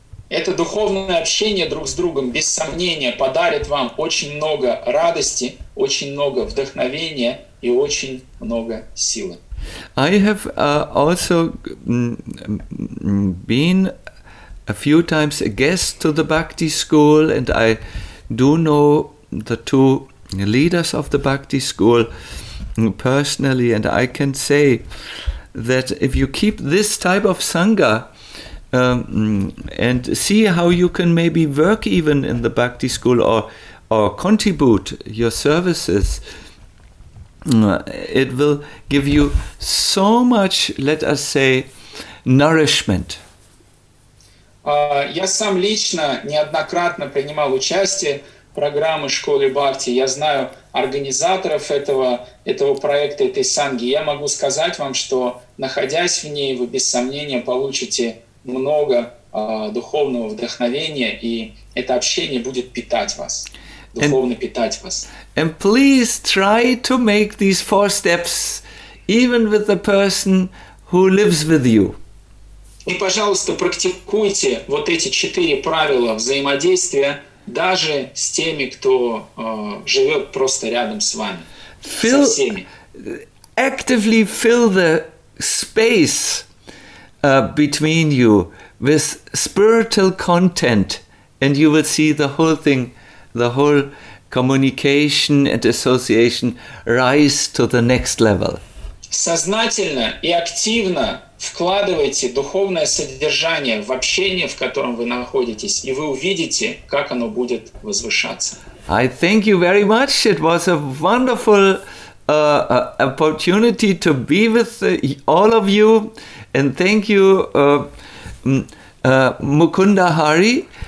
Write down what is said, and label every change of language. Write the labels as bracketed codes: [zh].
[ru] Это духовное общение друг с другом, без сомнения, подарит вам очень много радости, очень много вдохновения и очень много силы. [en] I have also been a few times a guest to the Bhakti school, and I do know the two leaders of the Bhakti school personally, and I can say that if you keep this type of sangha and see how you can maybe work even in the Bhakti school or contribute your services, it will give you so much, let us say, nourishment. [ru] Я сам лично неоднократно принимал участие программы школы Бхакти, я знаю организаторов этого проекта, этой санги, я могу сказать вам, что, находясь в ней, вы без сомнения получите много духовного вдохновения, и это общение будет питать вас, духовно питать вас. [en] And please try to make these four steps even with the person who lives with you. [ru] И, пожалуйста, практикуйте вот эти четыре правила взаимодействия даже с теми, кто живет просто рядом с вами, со всеми. [en] Actively fill the space between you with spiritual content, and you will see the whole thing, the whole communication and association rise to the next level. [ru] Сознательно и активно вкладывайте духовное содержание в общение, в котором вы находитесь, и вы увидите, как оно будет возвышаться. [en] I thank you very much. It was a wonderful opportunity to be with all of you, and thank you, Mukunda Hari.